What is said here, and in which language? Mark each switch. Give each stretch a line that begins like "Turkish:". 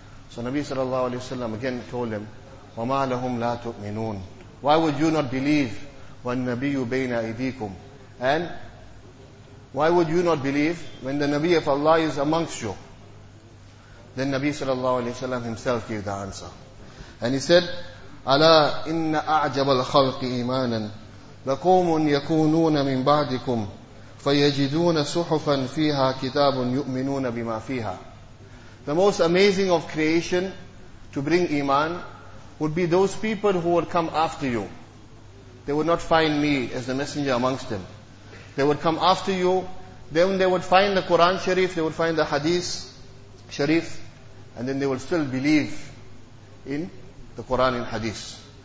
English: So Nabi sallallahu alayhi wa sallam again told him,
Arabic: وَمَا لَهُمْ لَا تُؤْمِنُونَ.
English: Why would you not believe when
Arabic: نَبِيُّ بَيْنَ أَيْدِيكُمْ?
English: And why would you not believe when the Nabi of Allah is amongst you? Then Nabi sallallahu alayhi wa sallam himself gave the answer.
Arabic: And he said, أَلَا إِنَّ أَعْجَبَ الْخَلْقِ إِيمَانًا لَقَوْمٌ يَكُونُونَ مِنْ بَعْدِكُمْ فَيَجِدُونَ صُحُفًا فِيهَا كِتَابٌ يُؤْمِنُونَ بِمَا فِيهَا.
English: The most amazing of creation to bring Iman would be those people who would come after you. They would not find me as the messenger amongst them. They would come after you, then they would find the Quran Sharif, they would find the Hadith Sharif, and then they would still believe in the Quran and Hadith.